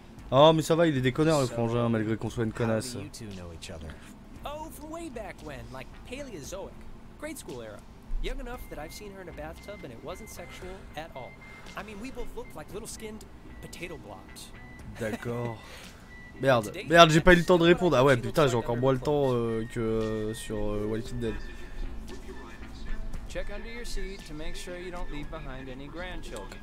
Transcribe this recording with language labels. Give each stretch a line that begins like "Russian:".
French: Oh, mais ça va, il est déconneur, le frangin, malgré qu'on soit une connasse. Oh,
English: from way back when, like Paleozoic, grade school era. Young enough that I've seen her in a bathtub and it wasn't sexual at all. I mean, we both looked like little skinned potato blobs.
French: D'accord. Merde, j'ai pas eu le temps de répondre. Ah ouais, putain, j'ai encore moins le temps que sur Walking Dead.
English: Check under your seat to make sure you don't leave behind any grandchildren.